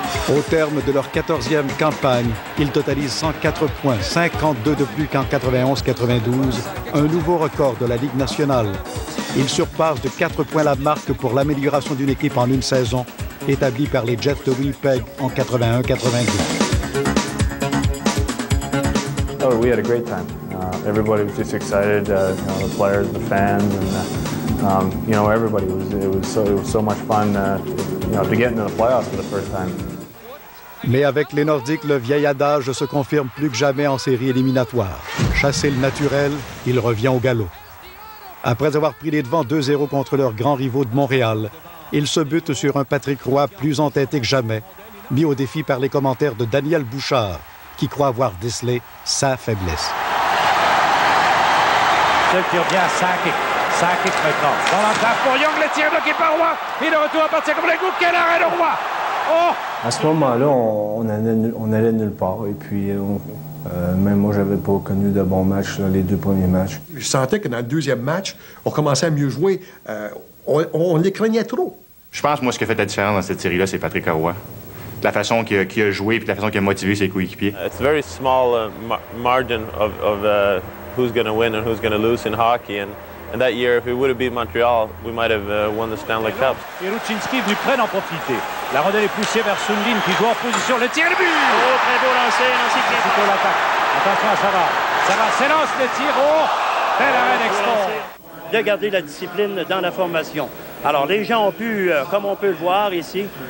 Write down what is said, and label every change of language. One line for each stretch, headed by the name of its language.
French: Au terme de leur 14e campagne, ils totalisent 104 points, 52 de plus qu'en 91-92, un nouveau record de la Ligue nationale. Ils surpassent de 4 points la marque pour l'amélioration d'une équipe en une saison, établie par les Jets de Winnipeg en 81-92.
English: Oh, we had a great time. Everybody was just excited, the players, the fans, and everybody was. It was so much fun, to get into the playoffs for the first time.
French: Mais avec les Nordiques, le vieil adage se confirme plus que jamais en séries éliminatoires. Chasser le naturel, il revient au galop. Après avoir pris les devants 2-0 contre leurs grands rivaux de Montréal, ils se butent sur un Patrick Roy plus entêté que jamais, mis au défi par les commentaires de Daniel Bouchard, qui croit avoir décelé sa faiblesse. Celle qui revient à Sakic. Sakic maintenant. Dans la trappe pour Young, le tir bloqué par Roy. Et le retour à partir comme le goût. Quel arrêt de Roy! À ce moment-là, on allait nulle part. Et puis, même moi, j'avais pas connu de bons matchs là, les deux premiers matchs. Je sentais que dans le deuxième match, on commençait à mieux jouer. On les craignait trop. Je pense, moi, ce qui a fait la différence dans cette série-là, c'est Patrick Roy. La façon qu'il a joué et la façon qu'il a motivé ses coéquipiers.
English: It's a very small margin of who's going to win and who's going to lose in hockey. And that year, if we would have beat Montreal, we might have won the Stanley Cup.
French: Pierucinski venu près d'en profiter. La rondelle est poussée vers Sundin qui joue en position. Le tir, le but! Oh, très beau lancer, Nancy qui est pour l'attaque. Attention à Savard. Savard s'élance le tir. Oh, belle arène extraordinaire. De garder la discipline dans la formation. Alors, les gens ont pu, comme on peut le voir ici.